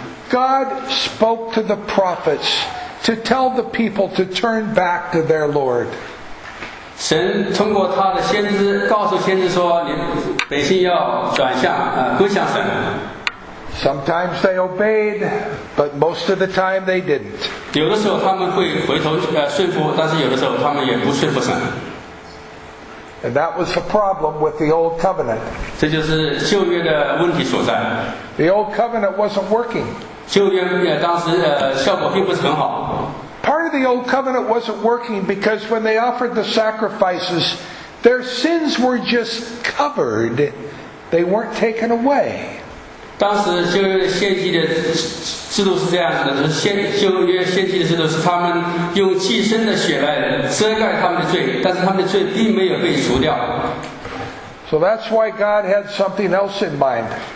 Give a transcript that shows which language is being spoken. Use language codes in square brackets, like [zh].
[en] God spoke to the prophets to tell the people to turn back to their Lord. [zh] 神通过他的先知告诉先知说，你百姓要转向归向神。 [en] Sometimes they obeyed, but most of the time they didn't. [zh] 有的时候他们会回头顺服，但是有的时候他们也不顺服神。 [en] And that was the problem with the old covenant. [zh] 这就是旧约的问题所在。 [en] The old covenant wasn't working. [zh] 旧约当时效果并不是很好。 [en] Part of the old covenant wasn't working because when they offered the sacrifices, their sins were just covered. They weren't taken away. [zh] 当时旧约献祭的制度是这样子的，就是旧约献祭的制度是他们用祭牲的血来遮盖他们的罪，但是他们的罪并没有被除掉。 [en] So that's why God had something else in mind.